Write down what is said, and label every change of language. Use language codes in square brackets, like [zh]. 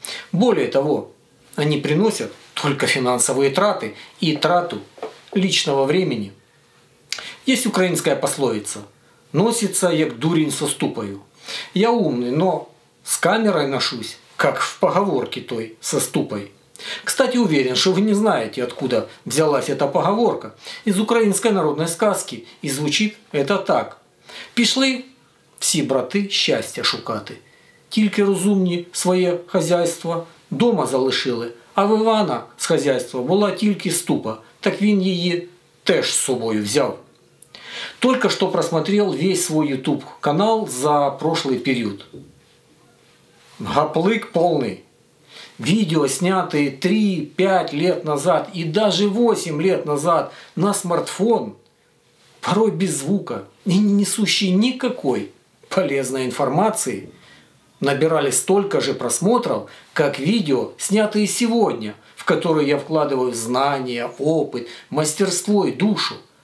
[ru] Более того, они приносят только финансовые траты и трату личного времени. Есть украинская пословица: «Носится, як дурень со ступою». Я умный, но с камерой ношусь, как в поговорке той со ступой. Кстати, уверен, что вы не знаете, откуда взялась эта поговорка. Из украинской народной сказки, и звучит это так: [uk] «Пішли всі брати щастя шукати, тільки розумні своє хазяйство дома залишили, а в Івана з хазяйства була тільки ступа, так він її теж з собою взяв». [ru] Только что просмотрел весь свой YouTube-канал за прошлый период. Гаплык полный. Видео, снятые 3-5 лет назад и даже 8 лет назад на смартфон, порой без звука и не несущие никакой полезной информации, набирали столько же просмотров, как видео, снятые сегодня, в которые я вкладываю знания, опыт, мастерство и душу.